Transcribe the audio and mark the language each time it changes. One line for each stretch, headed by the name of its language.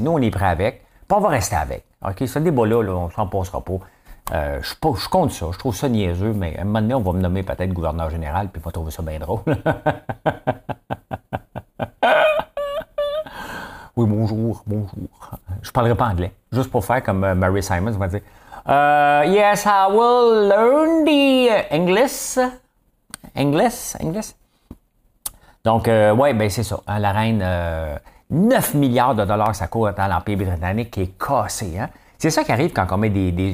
French: Nous, on est prêts avec, puis on va rester avec. OK, ce débat-là, là, on ne s'en passera pas. Je compte ça, je trouve ça niaiseux, mais à un moment donné, on va me nommer peut-être gouverneur général, puis on va trouver ça bien drôle. Oui, bonjour. Je parlerai pas anglais. Juste pour faire comme Mary Simons, on va dire.
English: Yes, I will learn the English.
French: English. Donc, ouais, ben c'est ça. Hein, la reine, 9 milliards de dollars, ça court dans l'Empire britannique qui est cassé. Hein? C'est ça qui arrive quand on met des...